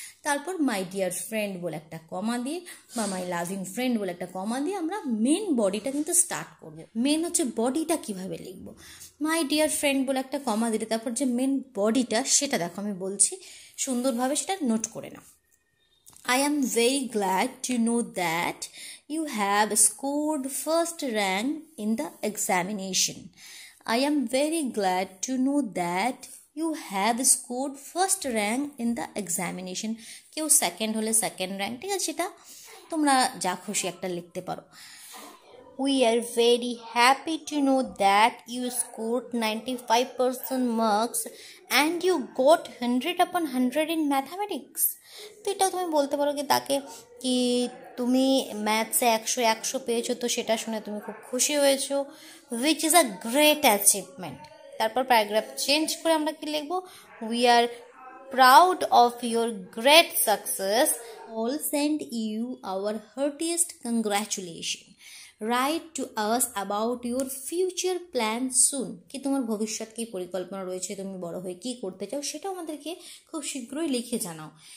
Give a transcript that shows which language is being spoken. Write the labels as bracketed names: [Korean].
[Bangla] তারপর my dear friend বলে একটা কমা দিয়ে বা মাই লাভিং ফ্রেন্ড বলে একটা কমা দিয়ে আমরা মেন বডিটা কিন্তু স্টার্ট করবো। মেন হচ্ছে বডিটা কিভাবে লিখবো, মাই ডিয়ার ফ্রেন্ড বলে একটা কমা দিলে তারপর যে মেন বডিটা সেটা দেখো আমি বলছি সুন্দরভাবে, সেটা নোট করে নাও। [English] I am very glad to know that you have scored first rank in the examination. I am very glad to know that you have scored first rank in the examination. [Bangla] কেউ second হলে second rank, ঠিক আছে? সেটা তোমরা যা খুশি একটা লিখতে পারো। [English] We are very happy to know that you scored 95% marks and you got 100/100 in mathematics. [Bangla] তো এটাও তুমি বলতে পারো কি তাকে, কি তুমি ম্যাথসে 100/100 পেয়েছো, তো সেটা শুনে তুমি খুব খুশি হয়েছো, [English] Which is a great achievement. [Bangla] তারপর প্যারাগ্রাফ চেঞ্জ করে আমরা কি লিখবো, [English] we are proud of your great success, all send you our heartiest congratulation, right to us about your future plan soon, [Bangla] কি তোমার ভবিষ্যৎ কী পরিকল্পনা রয়েছে, তুমি বড় হয়ে কী করতে চাও সেটাও আমাদেরকে খুব শীঘ্রই লিখে জানাও।